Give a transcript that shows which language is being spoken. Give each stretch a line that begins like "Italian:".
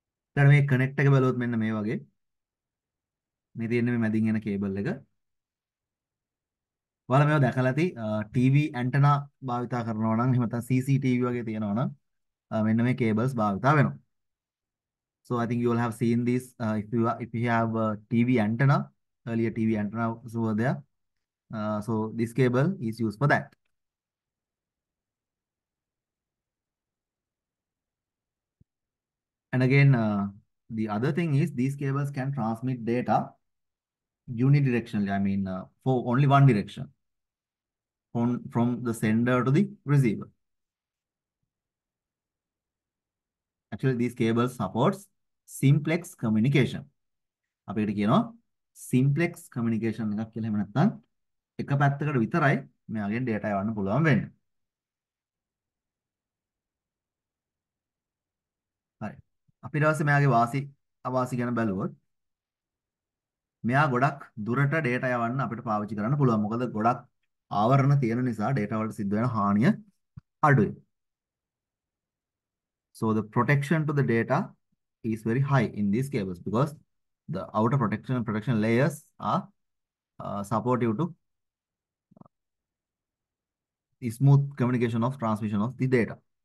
Sinhala: දැන් මේ කනෙක්ට් එක බලුවොත් මෙන්න මේ වගේ මේ තියෙන මේ මැදින් එන කේබල් එක ඔයාලා මේවා දැකලා ඇති. ටීවී ඇන්ටනා භාවිත කරනවා නම් එහෙම නැත්නම් සීසීටීවී වගේ තියෙනවා නම් මෙන්න මේ කේබල්ස් භාවිත වෙනවා.
English: So I think you will have seen this if you have a TV antenna, earlier TV antenna was over there. So this cable is used for that. And again, the other thing is these cables can transmit data unidirectionally. I mean, for only one direction. From the sender to the receiver. Actually, these cables supports simplex communication.
Sinhala: අපිට කියනවා simplex communication එකක් කියලා. එහෙම නැත්නම් එක පැත්තකට විතරයි මෙයාගෙන් data යවන්න පුළුවන් වෙන්නේ. හරි. අපි ඊළඟට මෙයාගේ වාසි අවාසි ගැන බලුවොත් මෙයා ගොඩක් දුරට data යවන්න අපිට පාවිච්චි කරන්න පුළුවන්. මොකද ගොඩක් ආවරණ තියෙන නිසා data වලට සිද්ධ වෙන හානිය අඩුයි.
English: So the protection to the data is very high in these cables because the outer protection and protection layers are supportive to smooth communication of transmission of the data.